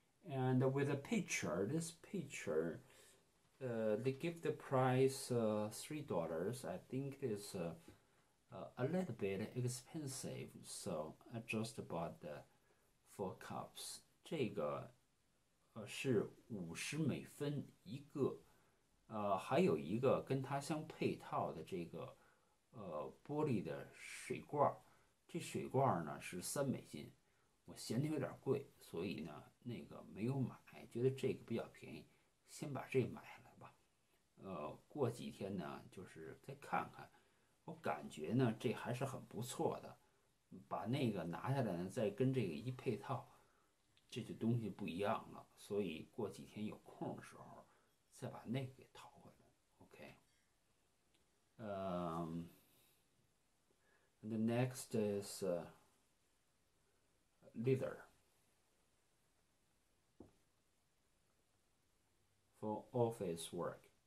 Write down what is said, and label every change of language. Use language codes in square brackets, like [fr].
[en] And with a pitcher, this pitcher, they give the price $3. I think it's a little bit expensive, so I just bought the four cups. [zh] 这个是50美分一个，还有一个跟它相配套的这个玻璃的水罐，这水罐呢是3美金，我嫌它有点贵，所以呢那个没有买，觉得这个比较便宜，先把这买了吧。过几天呢就是再看看，我感觉呢这还是很不错的，把那个拿下来呢再跟这个一配套。这些东西不一样了，所以过几天有空的时候，再把那个给淘回来。 [en] OK，the next is leather for office work。